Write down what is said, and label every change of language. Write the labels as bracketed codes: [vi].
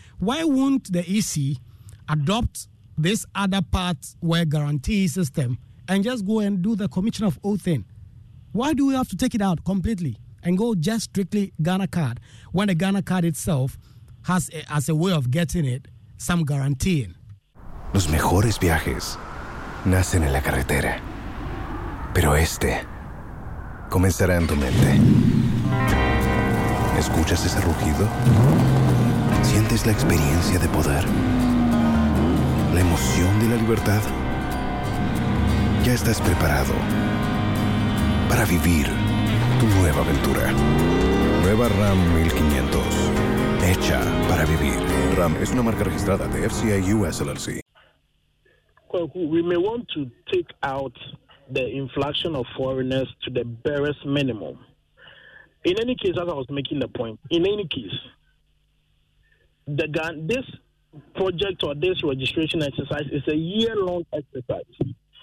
[en] Why won't the EC adopt this other part where guarantee system and just go and do the Commission of Oath thing? Why do we have to take it out completely and go just strictly Ghana card when the Ghana card itself has as a way of getting it some guaranteeing? [es] Los mejores viajes nacen en la carretera, pero este comenzará en tu mente. ¿Escuchas ese rugido? ¿Sientes la experiencia de poder? ¿La emoción de la libertad? ¿Ya estás preparado para vivir tu nueva aventura? Nueva Ram 1500. Hecha para vivir. Ram es una marca registrada de FCA US LLC. [en] We may want to take out the inflation of foreigners to the barest minimum. In any case, as I was making the point, this project or this registration exercise is a year-long exercise.